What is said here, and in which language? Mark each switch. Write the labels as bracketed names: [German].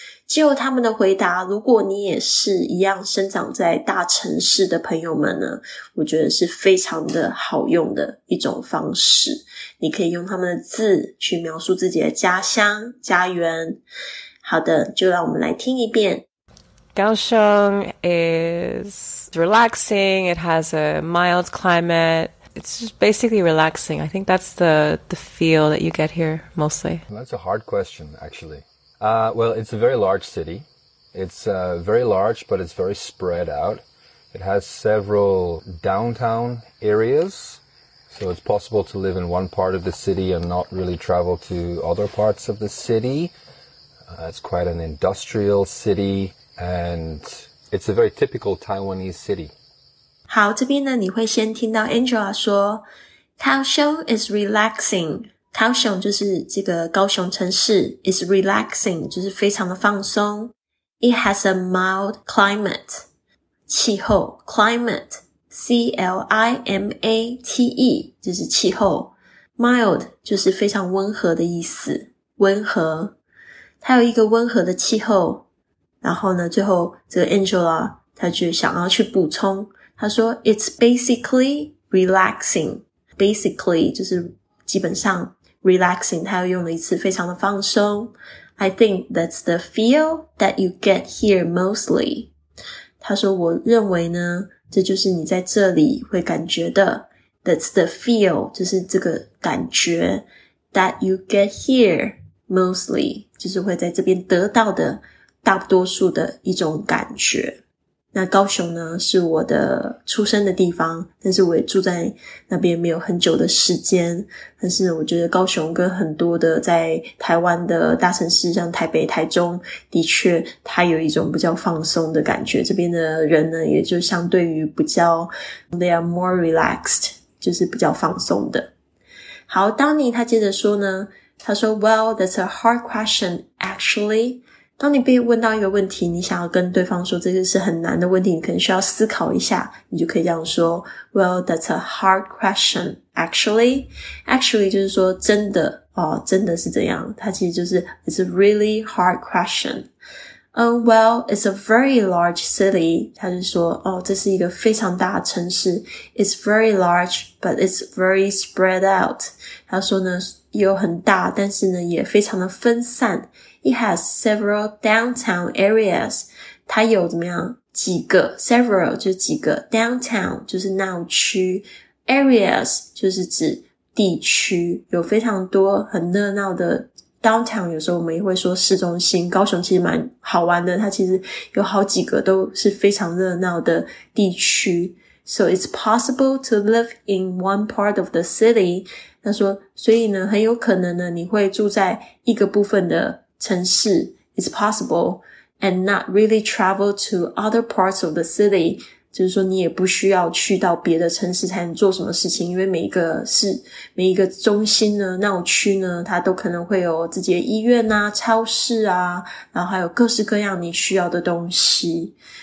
[Chinese] 借由他们的回答，如果你也是一样生长在大城市的朋友们呢，我觉得是非常的好用的一种方式。你可以用他们的字去描述自己的家乡、家园。好的，就让我们来听一遍。 [English] 高雄 is relaxing. It has a mild climate. It's just basically relaxing. I think that's the feel that you get here mostly. That's a hard question, actually. Well, it's a very large city. It's very large, but it's very spread out. It has several downtown areas, so it's possible to live in one part of the city and not really travel to other parts of the city. It's quite an industrial city, and it's a very typical Taiwanese city. [Chinese] 好，这边呢，你会先听到 Angela 说 [English] Kaohsiung is relaxing. [Chinese] 高雄就是这个高雄城市 [English] is relaxing [Chinese] 就是非常的放松。 [English] It has a mild climate [Chinese] 气候 climate C-L-I-M-A-T-E 就是气候 mild 就是非常温和的意思，温和，它有一个温和的气候。然后呢最后这个 Angela 她就想要去补充，她说 [English] It's basically relaxing， [Chinese] basically 就是基本上relaxing， 他又用了一次非常的放松。 [English] I think that's the feel that you get here mostly， [Chinese] 他说我认为呢这就是你在这里会感觉的。 [English] That's the feel [Chinese] 就是这个感觉。 [English] That you get here mostly [Chinese] 就是会在这边得到的大多数的一种感觉。那高雄呢是我的出生的地方，但是我也住在那边没有很久的时间，但是我觉得高雄跟很多的在台湾的大城市像台北台中的确它有一种比较放松的感觉，这边的人呢也就相对于比较 [English] they are more relaxed， [Chinese] 就是比较放松的。好， Donnie 他接着说呢，他说 [English] Well, that's a hard question actually。 [Chinese] 当你被问到一个问题，你想要跟对方说这个是很难的问题，你可能需要思考一下，你就可以这样说 [English] Well, that's a hard question, actually. [Chinese] Actually 就是说真的、哦、真的是这样，它其实就是 [English] It's a really hard question. Well, it's a very large city. [Chinese] 它是说、哦、这是一个非常大的城市。 [English] It's very large, but it's very spread out. [Chinese] 它说呢有很大，但是呢也非常的分散。 [English] It has several downtown areas. [Chinese] 它有怎么样？几个 ？Several 就是几个 ，downtown 就是闹区 ，areas 就是指地区，有非常多很热闹的 downtown。有时候我们也会说市中心，高雄其实蛮好玩的，它其实有好几个都是非常热闹的地区。 [English] So it's possible to live in one part of the city. [Chinese] 他说，所以呢，很有可能呢，你会住在一个部分的。城市 [English] is possible and not really travel to other parts of the city， [Chinese] 就是说你也不需要去到别的城市才能做什么事情，因为每一个市每一个中心呢闹区呢它都可能会有自己的医院啊超市啊，然后还有各式各样你需要的东西。